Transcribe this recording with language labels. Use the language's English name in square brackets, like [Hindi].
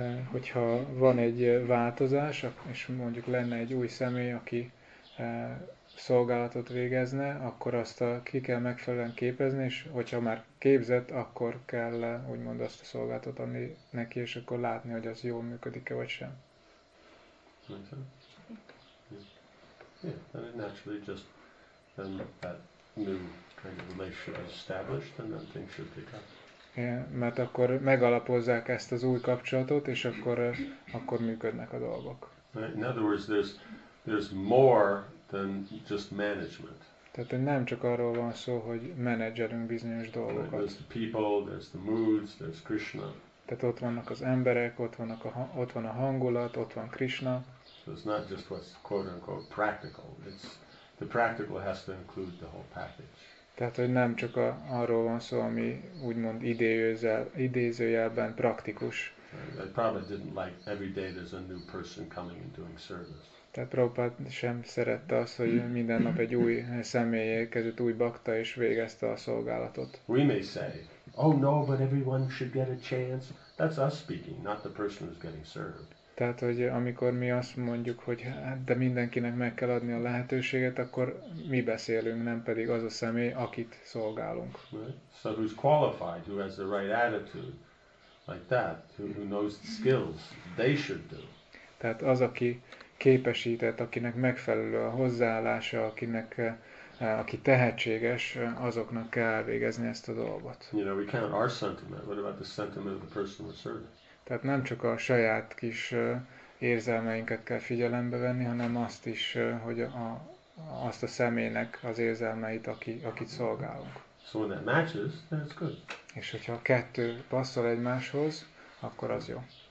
[Hungarian] Hogyha van egy változás, és mondjuk lenne egy új személy, aki szolgálatot végezne, akkor azt ki kell megfelelően képezni, és hogyha már képzett, akkor kell úgymond azt a szolgálatot adni neki, és akkor látni, hogy az jól működik-e vagy sem. [English] Yeah, then naturally just then that new kind of relationship is established, and then things should pick up. [Hungarian] Mert akkor megalapozzák ezt az új kapcsolatot, és akkor működnek a dolgok. [English] In other words, there's more than just management. [Hungarian] Tehát nem csak arról van szó, hogy menedzselünk bizonyos dolgokat. [English] There's the people, there's the moods, there's Krishna. [Hungarian] Tehát ott vannak az emberek, ott van a hangulat, ott van Krishna. [English] So it's not just what's quote-unquote practical. It's the practical has to include the whole package. [Hungarian] Tehát, hogy nem csak arról van szó, ami úgymond idézőjelben praktikus. [English] I probably didn't like every day there's a new person coming and doing service. [Hungarian] Tehát Prabhupád sem szerette azt, hogy minden nap egy új személy érkezett, új bakta, és végezte a szolgálatot. [English] We may say, oh no, but everyone should get a chance. That's us speaking, not the person who's getting served. [Hungarian] Tehát, hogy amikor mi azt mondjuk, hogy hát, de mindenkinek meg kell adni a lehetőséget, akkor mi beszélünk, nem pedig az a személy, akit szolgálunk. [English] Right. So who's qualified, who has the right attitude, like that, who knows the skills, they should do. [Hungarian] Tehát az, aki képesített, akinek megfelelő a hozzáállása, akinek, aki tehetséges, azoknak kell elvégezni ezt a dolgot. [English] You know, we count our sentiment, what about the sentiment of the person we're serving? [Hungarian] Tehát nem csak a saját kis érzelmeinket kell figyelembe venni, hanem azt is, hogy azt a személynek az érzelmeit, akit szolgálunk. [English] So when that matches, then it's good. [Hungarian] És hogyha a kettő passzol egymáshoz, akkor az jó.